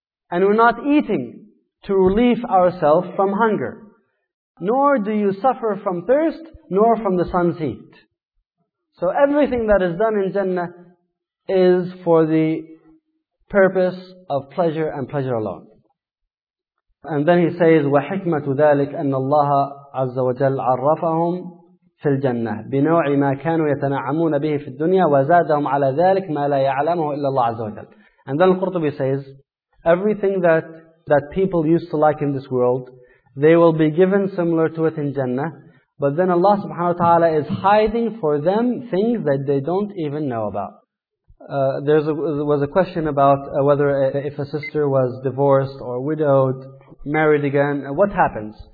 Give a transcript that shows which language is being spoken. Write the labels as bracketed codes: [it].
[en] And we're not eating to relieve ourselves from hunger. Nor do you suffer from thirst nor from the sun's heat. So everything that is done in Jannah is for the purpose of pleasure and pleasure alone. And then he says, [ar] وَحِكْمَةُ ذَلِكَ أَنَّ اللَّهَ عَزَّ وَجَلْ عَرَّفَهُمْ فِي الْجَنَّةِ بِنَوْعِ مَا كَانُوا يَتَنَعَمُونَ بِهِ فِي الدُّنْيَا وَزَادَهُمْ عَلَى ذَلِكَ مَا لَا يَعْلَمُهُ إِلَّا اللَّهُ عَزَّ وَجَلْ. [en] And then Al-Qurtubi says, everything that people used to like in this world, they will be given similar to it in Jannah. But then Allah subhanahu wa ta'ala is hiding for them things that they don't even know about. There was a question about whether if a sister was divorced or widowed, married again, what happens?